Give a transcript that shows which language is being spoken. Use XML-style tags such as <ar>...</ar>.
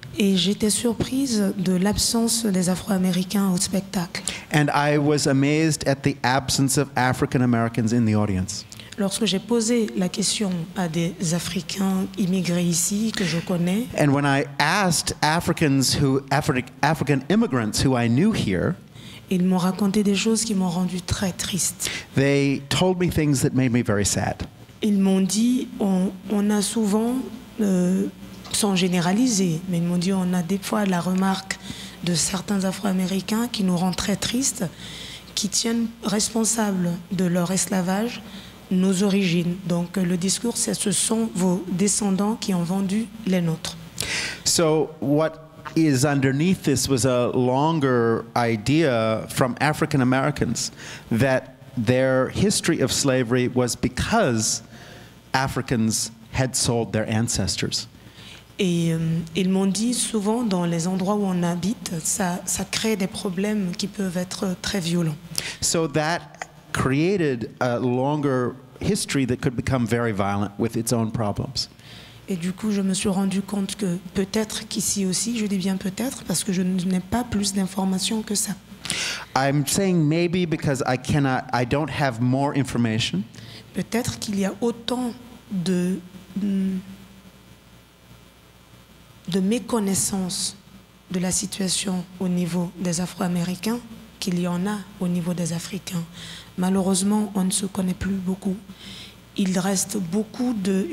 <fr>Et j'étais surprise de l'absence des Afro-Américains au spectacle.</fr> <en>And I was amazed at the absence of African-Americans in the audience.</en> <fr>Lorsque j'ai posé la question à des Africains immigrés ici que je connais.</fr> <en>And when I asked Africans who African immigrants who I knew here,</en> <fr>ils m'ont raconté des choses qui m'ont rendu très triste.</fr> <en>They told me things that made me very sad.</en> <fr>Ils m'ont dit on a souvent sans généraliser, mais ils m'ont dit on a des fois la remarque de certains Afro-Américains qui nous rend très tristes, qui tiennent responsables de leur esclavage nos origines. Donc le discours, c'est ce sont vos descendants qui ont vendu les nôtres.</fr> <en>So what is underneath this was a longer idea from African Americans that their history of slavery was because Africans had sold their ancestors.</en> <fr>Et ils m'ont dit souvent dans les endroits où on habite, ça crée des problèmes qui peuvent être très violents.</fr> <en>So that created a longer history that could become very violent with its own problems.</en> <fr>Et du coup, je me suis rendu compte que peut-être qu'ici aussi, je dis bien peut-être parce que je n'ai pas plus d'informations que ça.</fr> <en>I'm saying maybe because I don't have more information.</en> <fr>Peut-être qu'il y a autant de méconnaissance de la situation au niveau des Afro-Américains qu'il y en a au niveau des Africains. Malheureusement, on ne se connaît plus beaucoup. Il reste beaucoup de...</fr>